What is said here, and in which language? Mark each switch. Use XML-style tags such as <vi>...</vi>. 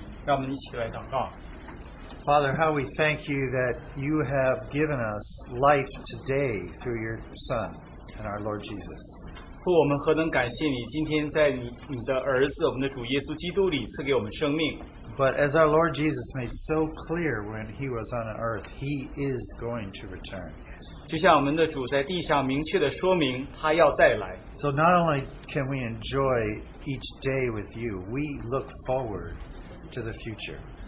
<en>Father, how we thank you that you have given us life today through your Son and our Lord Jesus.</en> <zh>我们何等感谢你今天在你的儿子我们的主耶稣基督里赐给我们生命。</zh> <en>But as our Lord Jesus made so clear when he was on earth, he is going to return.</en> <zh>就像我们的主在地上明确地说明他要再来。</zh> <en>So not only can we enjoy each day with you, we look forward to the future.</en>